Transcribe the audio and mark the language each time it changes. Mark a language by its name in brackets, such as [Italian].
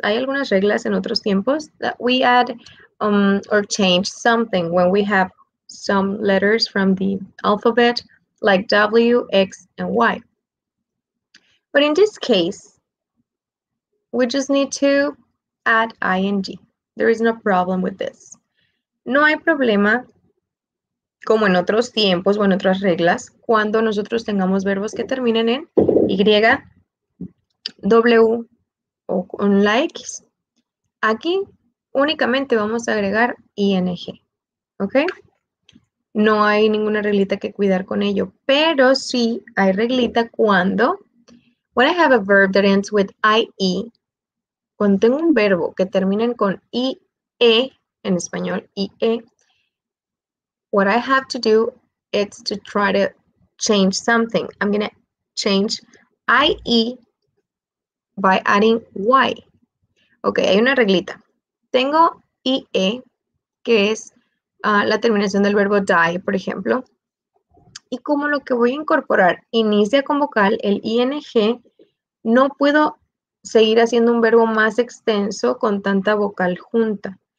[Spanish] Hay algunas reglas en otros tiempos [English] that we add or change something when we have some letters from the alphabet, like W, X, and Y. But in this case, we just need to add ing. There is no problem with this. [Spanish] No hay problema, como en otros tiempos o en otras reglas, cuando nosotros tengamos verbos que terminen en Y, W o con la X. Aquí únicamente vamos a agregar ing. ¿Ok? No hay ninguna reglita que cuidar con ello, pero sí hay reglita cuando, [English] when I have a verb that ends with IE, [Spanish] cuando tengo un verbo que termina con IE, en español IE, [English] what I have to do is to try to change something. I'm going to change IE by adding Y. [Spanish] Ok, hay una reglita. Tengo IE, que es la terminación del verbo die, por ejemplo. Y como lo que voy a incorporar inicia con vocal, el ing, no puedo seguir haciendo un verbo más extenso con tanta vocal junta.